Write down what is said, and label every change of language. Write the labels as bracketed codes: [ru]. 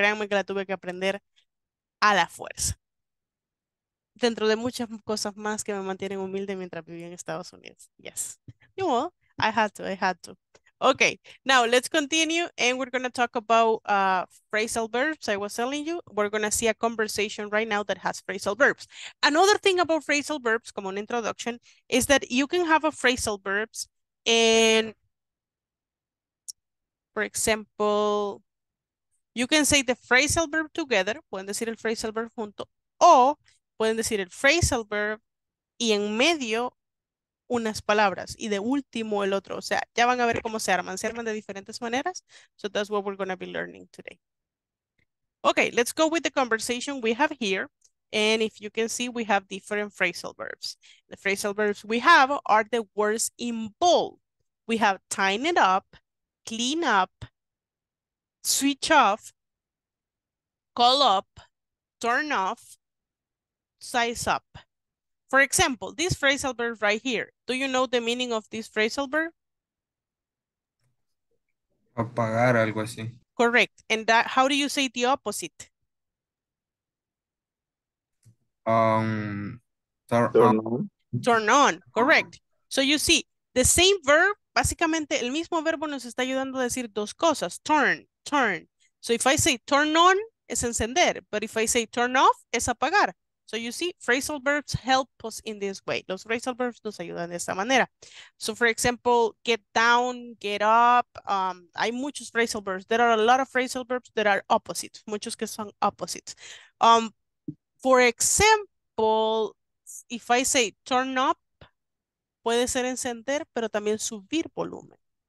[es] Créanme que la tuve que aprender a la fuerza. Dentro de muchas cosas más que me mantienen humilde mientras viví en Estados Unidos. [en] Yes. You know, I had to. Okay, now let's continue and we're going to talk about phrasal verbs. I was telling you, we're going to see a conversation right now that has phrasal verbs. Another thing about phrasal verbs, [es] como una [en] introduction, is that you can have a phrasal verbs and, for example, you can say the phrasal verb together, [es] pueden decir el phrasal verb junto, o pueden decir el phrasal verb y en medio unas palabras y de último el otro. O sea, ya van a ver cómo se arman de diferentes maneras. [en] So that's what we're going to be learning today. Okay, let's go with the conversation we have here. And if you can see, we have different phrasal verbs. The phrasal verbs we have are the words in bold. We have tighten it up, clean up, switch off, call up, turn off, size up. For example, this phrasal verb right here. Do you know the meaning of this phrasal verb? [es] Apagar, algo así. [en] Correct. And that, how do you say the opposite? Turn on. Correct. So you see, the same verb, [es] básicamente el mismo verbo nos está ayudando a decir dos cosas. [en] Turn. So if I say turn on, [es] es encender. [en] But if I say turn off, [es] es apagar. [en] So you see, phrasal verbs help us in this way. [es] Los phrasal verbs nos ayudan de esta manera. [en] So for example, get down, get up. [es] Hay muchos phrasal verbs. [en] There are a lot of phrasal verbs that are opposites. [es] Muchos que son opposites. [en] For example, if I say turn up, [es] puede ser encender, pero también subir volumen.